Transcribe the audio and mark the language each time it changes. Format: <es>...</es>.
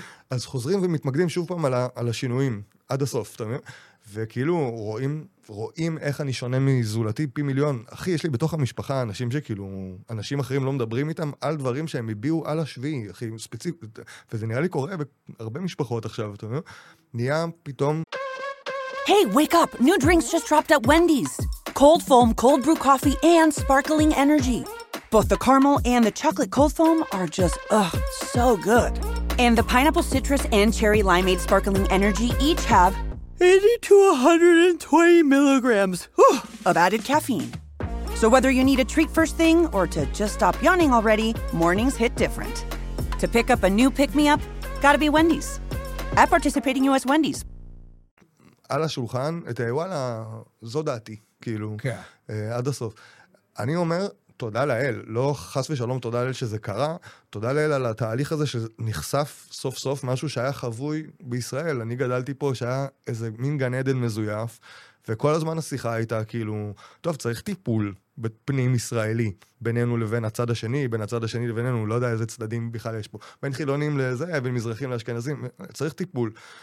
<he>אז חוזרים ומתמקדים שוב פעם על השינויים, עד הסוף, אתה מבין? וכאילו רואים איך אני שונה מזולתי פי מיליון. אחי, יש לי בתוך המשפחה אנשים שכאילו, אנשים אחרים לא מדברים איתם על דברים שהם הביאו על השביעי, אחי, ספציפית. וזה נראה לי קורה בהרבה משפחות עכשיו, אתה מבין? נהיה פתאום...</he> <en>Hey, wake up! New drinks just dropped at Wendy's. Cold foam, cold brew coffee, and sparkling energy. Both the caramel and the chocolate cold foam are just, ugh, so good. And the pineapple citrus and cherry limeade sparkling energy each have 80 to 120 milligrams of added caffeine. So whether you need a treat first thing or to just stop yawning already, mornings hit different. To pick up a new pick-me-up, gotta be Wendy's. At participating US Wendy's,</en> <he>על השולחן, את הוואלה, זו דעתי, כאילו, עד הסוף. אני אומר, תודה לאל, לא חס ושלום תודה לאל שזה קרה, תודה לאל על התהליך הזה שנחשף סוף סוף משהו שהיה חבוי בישראל. אני גדלתי פה שהיה איזה מין גן עדן מזויף, וכל הזמן השיחה הייתה כאילו, טוב, צריך טיפול בפנים ישראלי, בינינו לבין הצד השני, בין הצד השני לבינינו, לא יודע איזה צדדים בכלל יש פה, בין חילונים לזה, בין מזרחים לאשכנזים, צריך טיפול.</he>